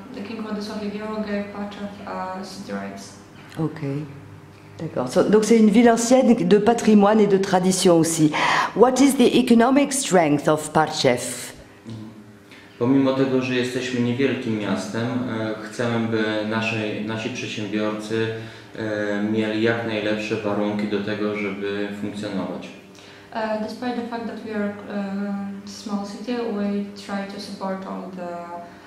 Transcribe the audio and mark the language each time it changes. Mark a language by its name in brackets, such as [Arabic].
[English] The King Władysław Jagiełło gave Partchev city rights. [French] Okay. D'accord. Donc c'est une ville ancienne de patrimoine et de tradition aussi. [English] What is the economic strength of Partchev? [Polish] Pomimo tego, że jesteśmy niewielkim miastem, chcemy, by nasi przedsiębiorcy mieli jak najlepsze warunki do tego, żeby funkcjonować. [English] Despite the fact that we are a small city, we try to support all the